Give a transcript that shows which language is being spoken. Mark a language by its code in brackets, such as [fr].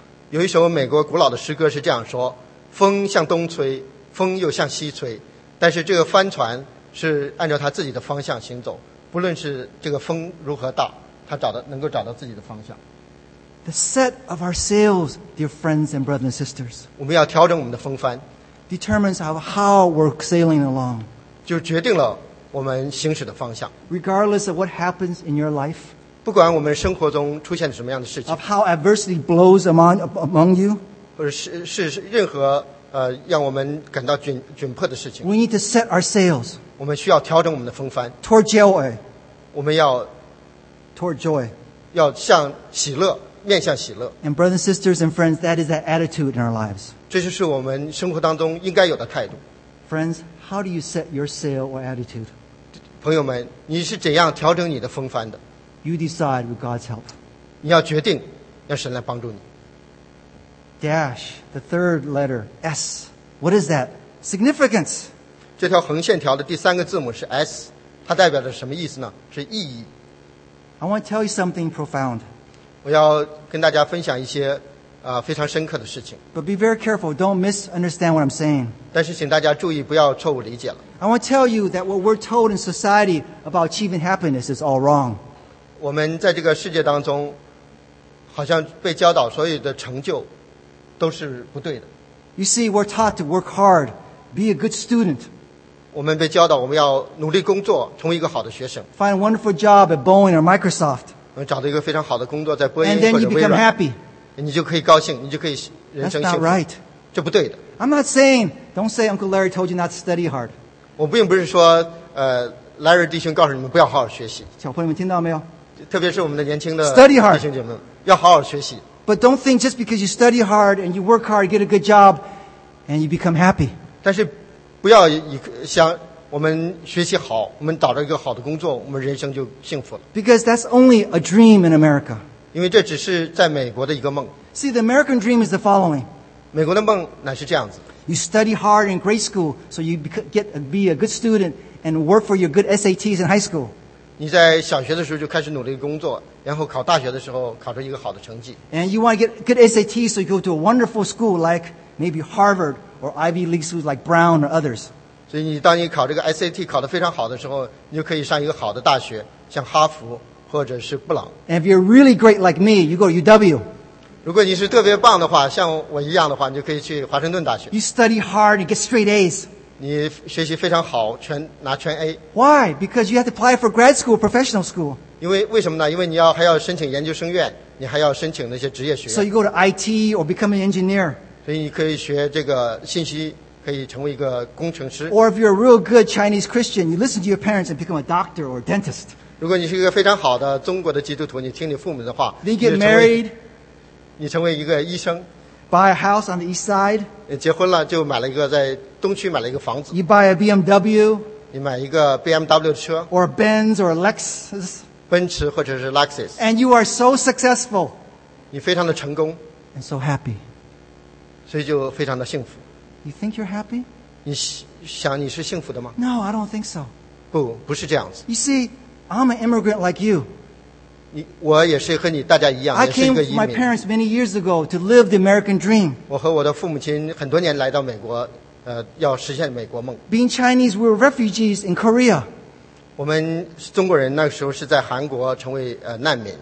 [zh] 有一首美国古老的诗歌是这样说：风向东吹，风又向西吹，但是这个帆船是按照它自己的方向行走，不论是这个风如何大，它能够找到自己的方向。 [en] The set of our sails, dear friends and brothers and sisters, [zh] 我们要调整我们的风帆 [en] determines how we're sailing along, [zh] 就决定了我们行驶的方向。 [en] Regardless of what happens in your life, [zh] 不管我们生活中出现什么样的事情 [en] of how adversity blows among you, [zh] 或者 是任何让我们感到窘迫的事情 [en] we need to set our sails, [zh] 我们需要调整我们的风帆 [en] toward joy, [zh] 我们要 [en] toward joy, [zh] 要向喜乐面向喜乐。 [en] And brothers and sisters and friends, that is that attitude in our lives. [zh] 这就是我们生活当中应该有的态度。 [en] Friends, how do you set your sail or attitude? [zh] 朋友们，你是怎样调整你的风帆的？ [en] You decide with God's help. [zh] 你要决定，让神来帮助你。 [en] Dash, the third letter, S. What is that? Significance. [zh] 这条横线条的第三个字母是 S， 它代表着什么意思呢？是意义。 [en] I want to tell you something profound. [zh] 我要跟大家分享一些非常深刻的事情。 [en] But be very careful, don't misunderstand what I'm saying. [zh] 但是请大家注意不要错误理解了。 [en] I want to tell you that what we're told in society about achieving happiness is all wrong. [zh] 我们在这个世界当中好像被教导所有的成就都是不对的。 [en] You see, we're taught to work hard, be a good student. [zh] 我们被教导我们要努力工作成为一个好的学生。 [en] Find a wonderful job at Boeing or Microsoft. [zh] 找到一个非常好的工作在波音或者微软 [en] happy. [zh] 你就可以高兴你就可以人生幸福 [en] right. [zh] 这不对的 [en] I'm not saying don't say Uncle Larry told you not to study hard [zh] 我并不是说Larry 弟兄告诉你们不要好好学习小朋友们听到没有特别是我们的年轻的 [en] study hard. [zh] 弟兄姐妹们要好好学习 [en] but don't think just because you study hard and you work hard get a good job and you become happy [zh] 但是不要想我们学习好，我们找到一个好的工作，我们人生就幸福了。 [en] Because that's only a dream in America. [zh] 因为这只是在美国的一个梦。 [en] See, the American dream is the following. [zh] 美国的梦乃是这样子。 [en] You study hard in grade school, so you be a good student and work for your good SATs in high school. [zh] 你在小学的时候就开始努力工作，然后考大学的时候考出一个好的成绩。 [en] And you want to get good SATs, so you go to a wonderful school like maybe Harvard or Ivy League schools like Brown or others. [zh] 所以你当你考这个 SAT 考得非常好的时候，你就可以上一个好的大学，像哈佛或者是布朗。 [en] And if you're really great like me, you go to UW. [zh] 如果你是特别棒的话，像我一样的话，你就可以去华盛顿大学。 [en] You study hard, you get straight A's. [zh] 你学习非常好，拿全 A. [en] Why? Because you have to apply for grad school, professional school. [zh] 为什么呢？因为你还要申请研究生院，你还要申请那些职业学院。 [en] So you go to IT or become an engineer. [zh] 所以你可以学这个信息。可以成为一个工程师。 [en] Or if you're a real good Chinese Christian, you listen to your parents and become a doctor or a dentist. [zh] 如果你是一个非常好的中国的基督徒，你听你父母的话。 [en] Then get married. [zh] 你成为一个医生。 [en] Buy a house on the east side. [zh] 结婚了就买了一个在东区买了一个房子。 [en] You buy a BMW. [zh] 你买一个 BMW 的车。 [en] Or a Benz or a Lexus. [zh] 奔驰或者是 Lexus. [en] And you are so successful. [zh] 你非常的成功。 [en] And so happy. [zh] 所以就非常的幸福。 [en] You think you're happy? [zh] 你想你是幸福的吗？ [en] No, I don't think so. [zh] 不是这样子。 [en] You see, I'm an immigrant like you. [zh] 我也是和你大家一样，也是一个移民。 [en] I came with my parents many years ago to live the American dream. [zh] 我和我的父母亲很多年来到美国，要实现美国梦。 [en] Being Chinese, we were refugees in Korea. [zh] 我们中国人那时候是在韩国成为难民。